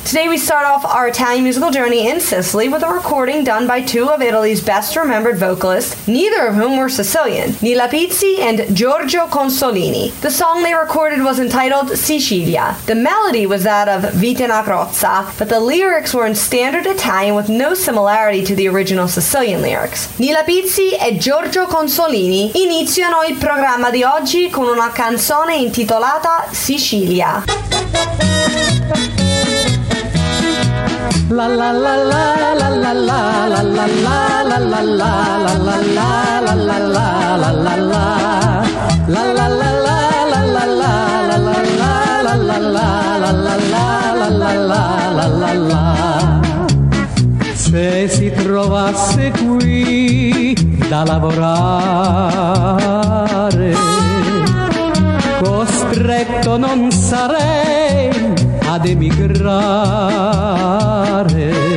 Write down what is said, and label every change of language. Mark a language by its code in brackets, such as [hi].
[en] Today we start off our Italian musical journey in Sicily with a recording done by two of Italy's best-remembered vocalists, neither of whom were Sicilian, Nila Pizzi and Giorgio Consolini. The song they recorded was entitled Sicilia. The melody was that of Vita na Crozza, but the lyrics were in standard Italian with no similarity to the original Sicilian lyrics. [it] Nila Pizzi e Giorgio Consolini iniziano il programma di oggi con una canzone intitolata Sicilia. La la la la la la la la la la la la la la la la la la la la la la la la la la la la la la la la la la la la la la la la la la la la. Se si trovasse qui da lavorare, costretto non sarei ad emigrare.